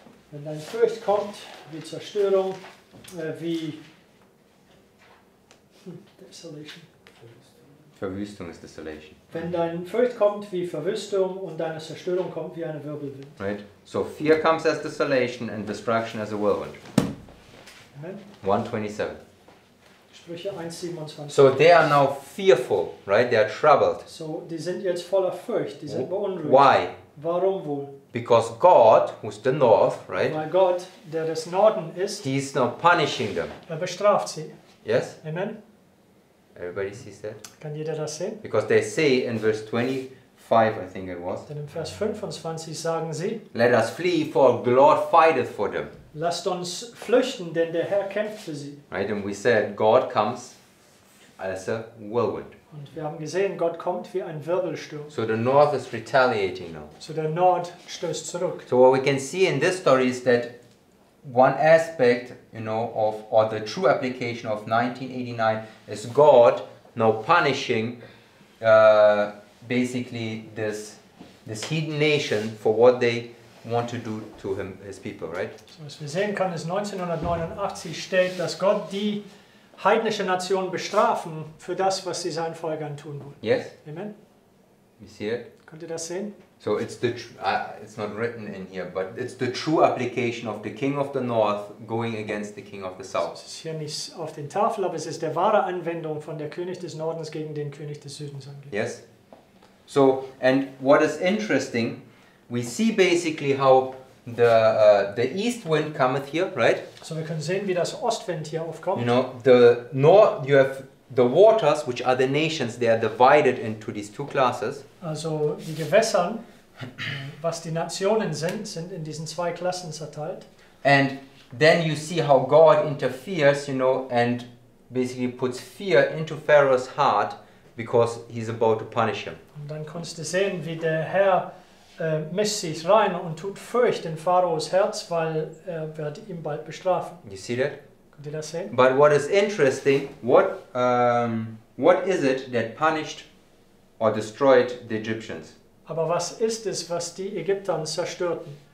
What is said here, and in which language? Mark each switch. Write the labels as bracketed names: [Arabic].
[German] Wenn dein Furcht kommt, wie Zerstörung, wie Desolation. Verwüstung ist Desolation. Wenn dein Furcht kommt, wie Verwüstung, und deine Zerstörung kommt, wie eine Wirbelwind. [English] Right. So fear comes as desolation and destruction as a whirlwind. Amen. 1:27. [German] Sprüche 1:27. [English] So they are now fearful, right? They are troubled. [German] So die sind jetzt voller Furcht, die sind beunruhigt. [English] Why? [German] Warum wohl? [English] Because God, who's the north, right? [German] Weil Gott, der des Norden ist, [English] he is now punishing them. [German] Er bestraft sie. [English] Yes? Amen. Everybody sees that? [German] Kann jeder das sehen? [English] Because they say in verse 25, I think it was. [German] Denn in Vers 25 sagen sie, [English] let us flee, for the Lord fighteth for them. [German] Lasst uns flüchten, denn der Herr kämpft für sie. [English] Right, and we said God comes as a whirlwind. [German] Und wir haben gesehen, Gott kommt wie ein Wirbelsturm. [English] So the north is retaliating now. [German] So der Nord stößt zurück. [English] So what we can see in this story is that one aspect, you know, of or the true application of 1989 is God now punishing basically this heathen nation for what they want to do to him, his people, right? [German] So, was wir sehen können, ist 1989 stellt, dass Gott die heidnische Nation bestrafen für das, was sie seinen Volk antun wollen. [English] Yes. Amen. You see it? [German] Könnt ihr das sehen? [English] So it's not written in here, but it's the true application of the king of the north going against the king of the south. [German] Es ist hier nicht auf den Tafel, aber es ist der wahre Anwendung von der König des Nordens gegen den König des Südens angeht. [English] Yes. So, and what is interesting, we see basically how the east wind cometh here, right? So we can see [German] wie das Ostwind hier aufkommt. [English] You know, the north, you have the waters, which are the nations, they are divided into these two classes. [German] Also die Gewässern, was die Nationen sind, sind in diesen zwei Klassen zerteilt. [English] And then you see how God interferes, you know, and basically puts fear into Pharaoh's heart because he's about to punish him. [German] Und dann kannst du sehen, wie der Herr mischt sich rein und tut Furcht in Pharaos Herz, weil er wird ihn bald bestrafen. [English] You see that? [German] Könnt ihr das sehen? [English] But what is interesting, what is it that punished or destroyed the Egyptians? [German] Aber was ist es, was die Ägypter zerstörten?